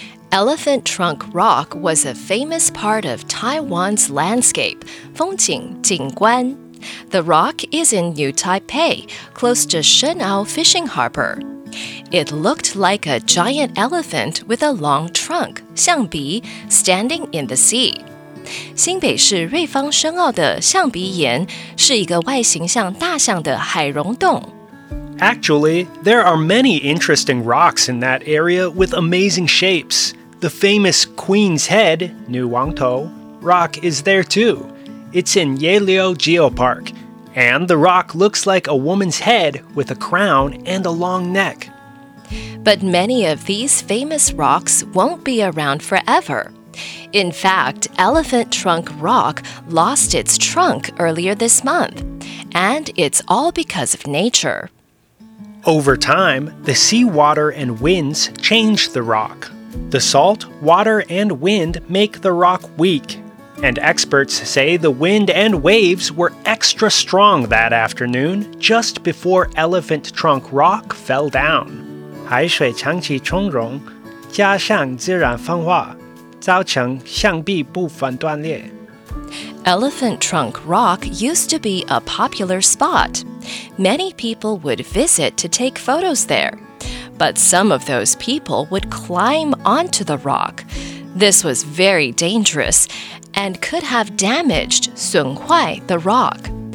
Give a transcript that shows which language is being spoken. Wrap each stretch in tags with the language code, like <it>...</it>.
<en>Elephant trunk rock was a famous part of Taiwan's landscape, 风景景观. The rock is in New Taipei, close to Shen-ao Fishing Harbor. It looked like a giant elephant with a long trunk, 象鼻, standing in the sea.</en> <zh>新北市瑞芳深澳的象鼻岩是一个外形像大象的海溶洞。</zh> <en>Actually, there are many interesting rocks in that area with amazing shapes. The famous Queen's Head, 女王头, rock is there too. It's in Yehliu Geopark. And the rock looks like a woman's head with a crown and a long neck. But many of these famous rocks won't be around forever. In fact, elephant trunk rock lost its trunk earlier this month. And it's all because of nature. Over time, the seawater and winds change the rock. The salt, water, and wind make the rock weak. And experts say the wind and waves were extra strong that afternoon, just before elephant trunk rock fell down.</en> <zh>海水长期沖蝕加上自然風化造成象鼻部分斷裂。</zh> <en>Elephant trunk rock used to be a popular spot. Many people would visit to take photos there. But some of those people would climb onto the rock. This was very dangerous. And could have damaged 损坏 the rock.</en>